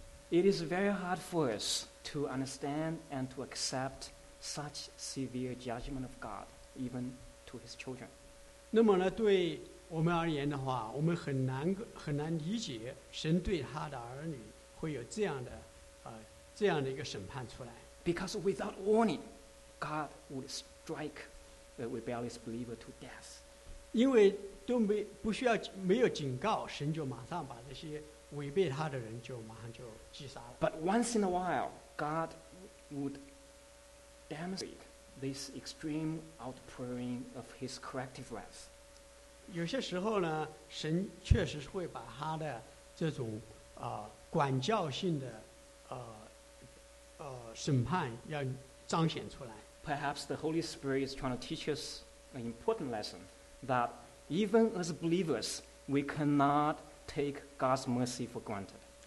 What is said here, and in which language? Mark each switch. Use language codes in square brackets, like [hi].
[en] It is very hard for us to understand and to accept such severe judgment of God, even to his children. [zh] 那么呢, 对, 我们而言的话, 我们很难理解神对他的儿女会有这样的, 这样的一个审判出来。 [en] Because without warning, God would strike the rebellious believer to death. [zh] 因为都没不需要, 没有警告, 神就马上把这些违背他的人就马上就击杀了。 [en] But once in a while, God would demonstrate this extreme outpouring of his corrective wrath. [zh] 有些时候呢, 神确实会把他的这种, 管教性的, 审判要彰显出来。 [en] Perhaps the Holy Spirit is trying to teach us an important lesson that even as believers, we cannot take God's mercy for granted.